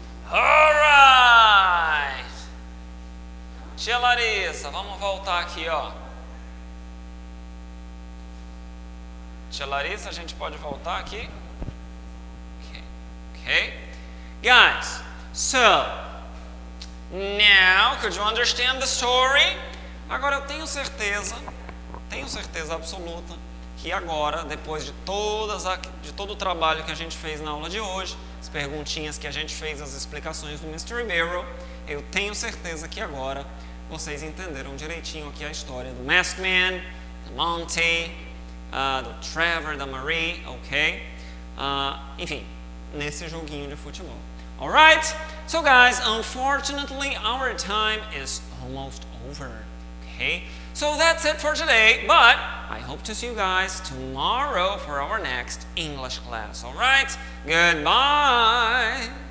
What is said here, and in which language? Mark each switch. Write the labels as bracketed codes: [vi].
[en] All right! [pt] Tia Larissa, vamos voltar aqui, ó. Tia Larissa, a gente pode voltar aqui? [en] Okay. Guys, so, now, could you understand the story? [pt] Agora eu tenho certeza absoluta, que agora, depois de todo o trabalho que a gente fez na aula de hoje, as perguntinhas que a gente fez, as explicações do Mr. Ribeiro, eu tenho certeza que agora vocês entenderam direitinho aqui a história do Masked Man, do Monty, do Trevor, da Marie, ok? Enfim. Nesse joguinho de futebol. [en] Alright, so guys, unfortunately our time is almost over. Okay, so that's it for today, but I hope to see you guys tomorrow for our next English class. Alright, goodbye!